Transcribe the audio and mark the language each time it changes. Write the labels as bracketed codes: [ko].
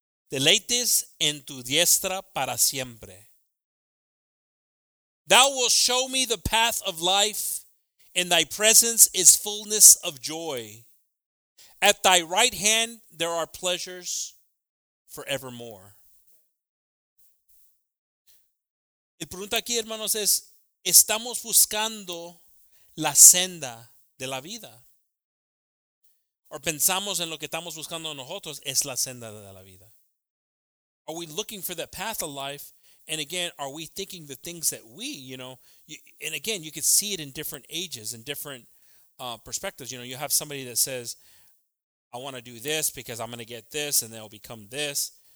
[es] Deleites en tu diestra para siempre. [en] Thou wilt show me the path of life, in thy presence is fullness of joy. At thy right hand there are pleasures forevermore. [es] El pregunta aquí, hermanos, es, ¿estamos buscando la senda de la vida? ¿O pensamos en lo que estamos buscando nosotros es la senda de la vida? [en] Are we looking for that path of life? And again, are we thinking the things that we, you know, and again, you could see it in different ages and different perspectives. You know, you have somebody that says, I want to do this because I'm going to get this and they'll become this.